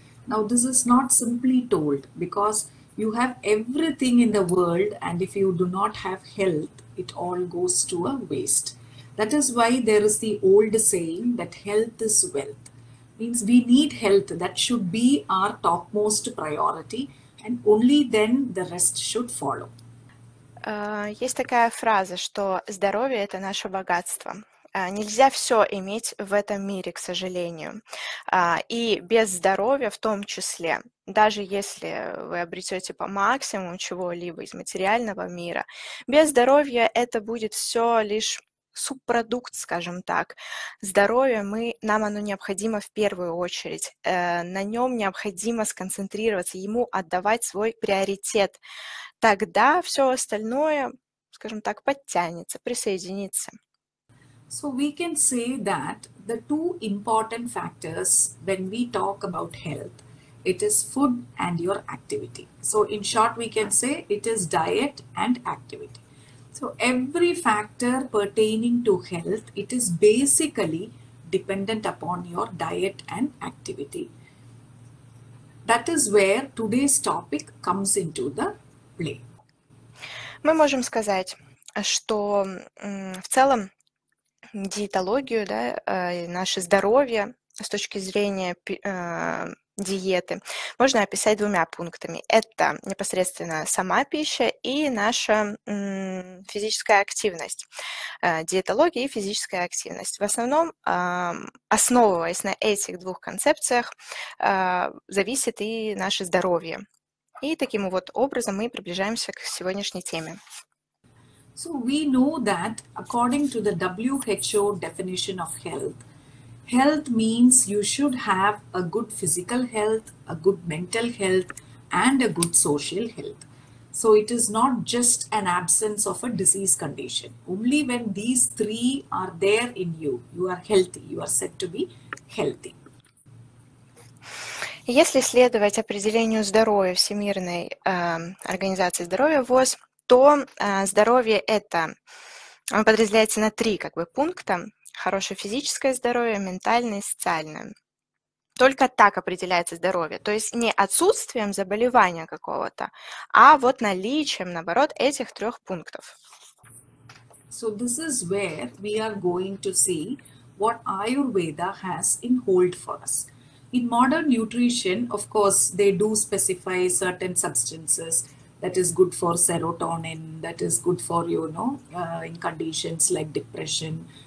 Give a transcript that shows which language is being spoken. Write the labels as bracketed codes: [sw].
[en] Now, this is not simply told because you have everything in the world and if you do not have health, it all goes to a waste. That is why there is the old saying that health is wealth. Means we need health. That should be our topmost priority and only then the rest should follow. [ru] Есть такая фраза, что здоровье – это наше богатство. Нельзя все иметь в этом мире, к сожалению. И без здоровья в том числе, даже если вы обретете по максимуму чего-либо из материального мира, без здоровья это будет все лишь субпродукт, скажем так. Здоровье нам оно необходимо в первую очередь. На нем необходимо сконцентрироваться, ему отдавать свой приоритет. Тогда все остальное, скажем так, подтянется, присоединится. [en] So we can say that the two important factors when we talk about health, it is food and your activity. So in short, we can say it is diet and activity. So every factor pertaining to health, it is basically dependent upon your diet and activity. That is where today's topic comes into the [ru] Мы можем сказать, что в целом диетологию, да, наше здоровье с точки зрения диеты можно описать двумя пунктами. Это непосредственно сама пища и наша физическая активность. Диетология и физическая активность. В основном, основываясь на этих двух концепциях, зависит и наше здоровье. И таким вот образом мы приближаемся к сегодняшней теме. [en] So we know that according to the WHO definition of health, health means you should have a good physical health, a good mental health, and a good social health. So it is not just an absence of a disease condition. Only when these three are there in you, you are healthy, you are said to be healthy. [ru] Если следовать определению здоровья Всемирной организации здоровья ВОЗ, то здоровье это он подразделяется на три как бы пункта: хорошее физическое здоровье, ментальное и социальное. Только так определяется здоровье, то есть не отсутствием заболевания какого-то, а вот наличием, наоборот, этих трех пунктов. [en] So this is where we are going to see what Ayurveda has in hold for us. In modern nutrition, of course, they do specify certain substances that is good for serotonin, that is good for, you know, in conditions like depression.